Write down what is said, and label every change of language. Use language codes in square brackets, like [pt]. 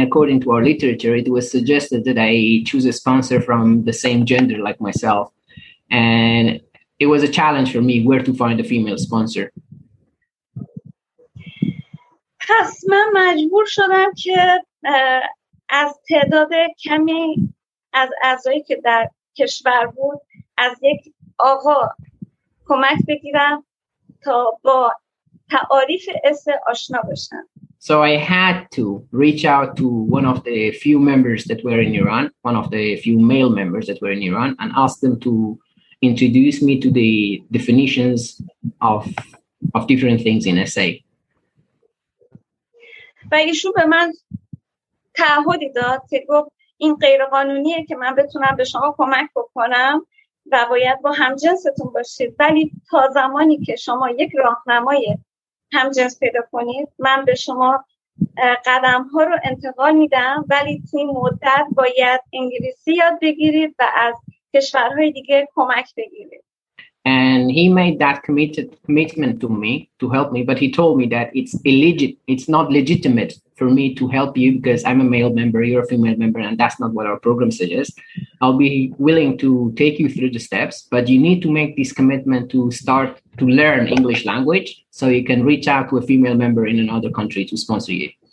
[en] According to our literature, it was suggested that I choose a sponsor from the same gender like myself. And it was a challenge for me where to find a female sponsor. [fa] پس من مجبور شدم که از تعداد کمی از اعضایی که در کشور بود از یک آقا کمک بگیرم تا با تعاریف اس آشنا بشم. [en] So I had to reach out to one of the few members that were in Iran, one of the few male members that were in Iran, and ask them to introduce me to the definitions of different things in SA. [fa] ایشون به من تعهدی داد که گفت این غیر قانونیه که من بتونم به شما کمک بکنم و باید با همجنستون باشید ولی تا زمانی که شما یک راهنمای همجنس پیدا کنید من به شما قدم ها رو انتقال میدم ولی توی مدت باید انگلیسی یاد بگیرید و از کشورهای دیگه کمک بگیرید. [en] And he made that commitment to me to help me, but he told me that it's not legitimate for me to help you because I'm a male member, you're a female member, and that's not what our program suggests. I'll be willing to take you through the steps, but you need to make this commitment to start to learn English language so you can reach out to a female member in another country to sponsor you.